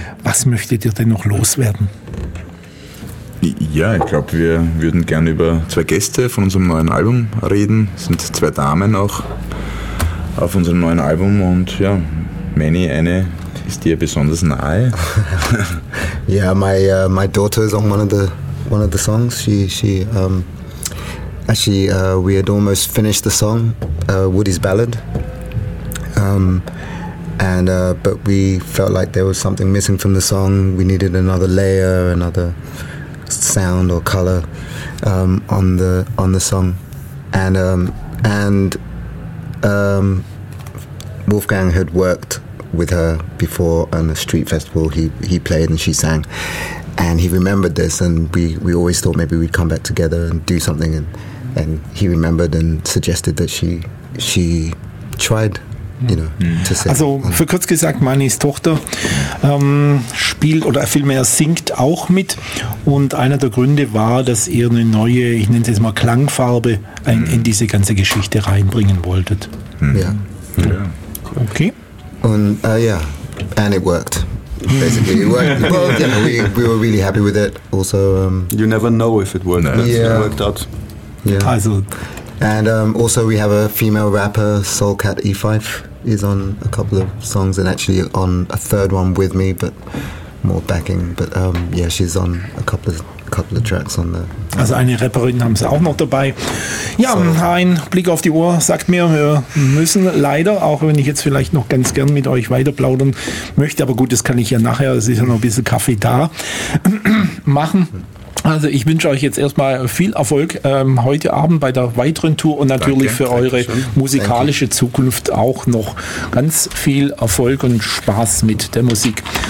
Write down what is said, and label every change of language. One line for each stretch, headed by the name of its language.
German: Was möchtet ihr denn noch loswerden? Ja, ich glaube, wir würden gerne über zwei Gäste von unserem neuen Album reden. Es sind zwei Damen auch auf unserem neuen Album und ja, Manny, eine ist dir besonders nahe.
English: Yeah, my daughter is on one of the songs. We had almost finished the song, Woody's Ballad. But we felt like there was something missing from the song. We needed another layer, another sound or color on the song. And Wolfgang had worked with her before on the street festival. He played and she sang. And he remembered this, and we always thought maybe we'd come back together and do something. And he remembered and suggested that she tried, you know, to sing.
German: Also, für kurz gesagt, Mannys Tochter spielt oder vielmehr singt auch mit. Und einer der Gründe war, dass ihr eine neue, ich nenne es jetzt mal Klangfarbe, in diese ganze Geschichte reinbringen wolltet. Ja.
English: Yeah. Okay. Und and it worked. Basically, it worked. Well, you know, we were really happy with it.
German: Also,
English: you never know if it worked. Yeah. It worked out. Yeah.
German: Also,
English: and also we have a female rapper, Soulcat E5, is on a couple of songs, and actually on a third one with me, but more backing. But she's on a couple of tracks on the.
German: Also eine Rapperin haben sie auch noch dabei. Ja, ein Blick auf die Uhr sagt mir, wir müssen leider, auch wenn ich jetzt vielleicht noch ganz gern mit euch weiter plaudern möchte, aber gut, das kann ich ja nachher, es ist ja noch ein bisschen Kaffee da, machen. Also ich wünsche euch jetzt erstmal viel Erfolg heute Abend bei der weiteren Tour und natürlich für eure musikalische Zukunft auch noch ganz viel Erfolg und Spaß mit der Musik.